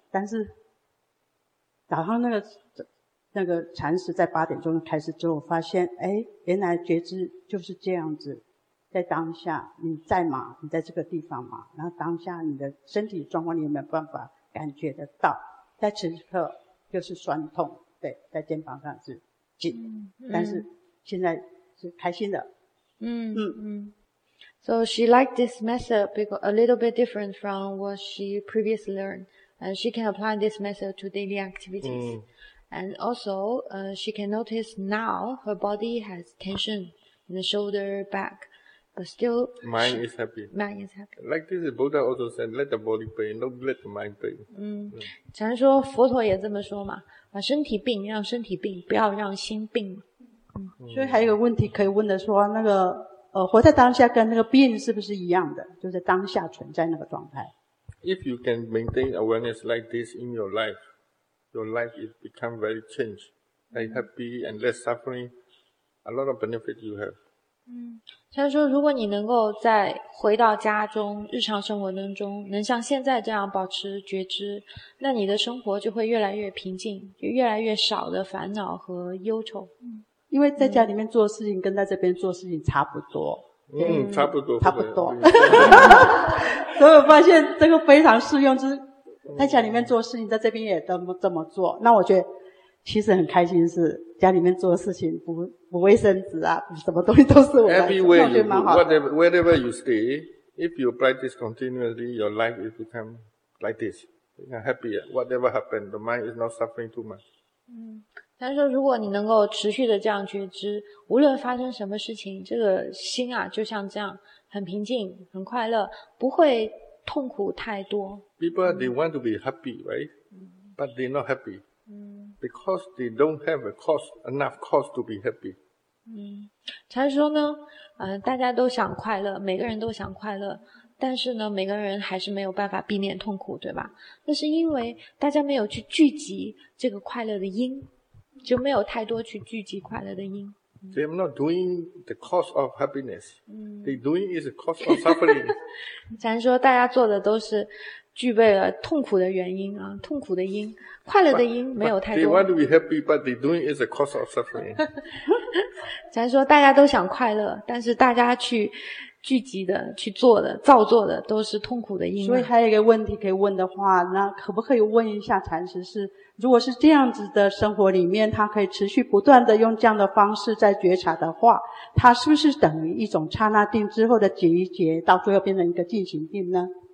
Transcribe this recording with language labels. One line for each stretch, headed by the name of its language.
Chinese: 但是早上那个禅师在八点钟开始之后，我发现诶，原来觉知就是这样子，在当下你在吗？你在这个地方吗？然后当下你的身体状况你有没有办法感觉得到，在此刻就是酸痛，对，在肩膀上是紧，但是现在是开心的。
English: So she liked this method because a little bit different from what she previously learned, and she can apply this method to daily activities. And also, she can notice now her body has tension in the shoulder, back, but still mind is happy. Mind is happy. Like this, Buddha also said, "Let the body pain, don't let the mind pain."
Chinese: 禅说佛陀也这么说嘛，把身体病让身体病，不要让心病。所以还有一个问题可以问的说，那个。活在当下跟那个 being 是不是一样的，就是当下存在那个状态。
English: If you can maintain awareness like this in your life is become very changed, very happy and less suffering, a lot of benefit you have.
Chinese: 像说如果你能够在回到家中日常生活当中能像现在这样保持觉知，那你的生活就会越来越平静，就越来越少的烦恼和忧愁。因为在家里面做事情跟在这边做事情差不多。差不多。差不多。所以我发现这个非常适用，就是在家里面做事情在这边也这么做。那我觉得其实很开心，是家里面做事情不卫生纸啊，什么东西都是我的。
English: Everywhere you wherever you stay, if you practice continuously, your life will become like this. Happier. Whatever happened, the mind is not suffering too much.
Chinese: 但是如果你能够持续的这样觉知，无论发生什么事情，这个心啊就像这样很平静很快乐，不会痛苦太多。
English: People, they want to be happy, right? But they're not happy. Because they don't have enough cause to be happy.
Chinese: 禅师说呢，大家都想快乐，每个人都想快乐，但是呢每个人还是没有办法避免痛苦，对吧？那是因为大家没有去聚集这个快乐的因。就没有太多去聚集快乐的因。
English: They are not doing the cause of happiness. They doing is the cause of suffering.
Chinese: 咱说大家做的都是具备了痛苦的原因啊，痛苦的因，快乐的因没有太多。
English: But they want to be happy, but they doing is the cause of suffering.
Chinese: 咱说大家都想快乐，但是大家去聚集的、去做的、造作的都是痛苦的因。所以还有一个问题可以问的话，那可不可以问一下禅师，是如果是这样子的生活里面，他可以持续不断的用这样的方式在觉察的话，他是不是等于一种刹那定之后的集结，到最后变成一个进行定呢？